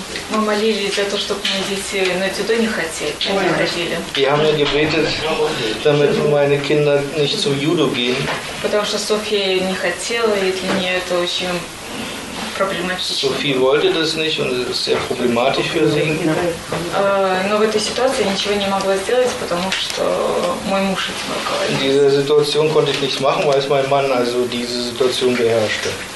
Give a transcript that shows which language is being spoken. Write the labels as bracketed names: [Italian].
[Russian] Мы молились за то, чтобы мои дети на Дзюдо не ходили. [German] Die haben mir gebetet, damit meine Kinder nicht zum Judo gehen. [Russian] Потому что София не хотела, и для нее это очень проблематично. [German] София wollte das nicht und es ist sehr problematisch für sie. [Russian] Но в этой ситуации ничего не могла сделать, потому что мой муж этим руководил. [German] In dieser Situation konnte ich nichts machen, weil es mein Mann also diese Situation beherrschte.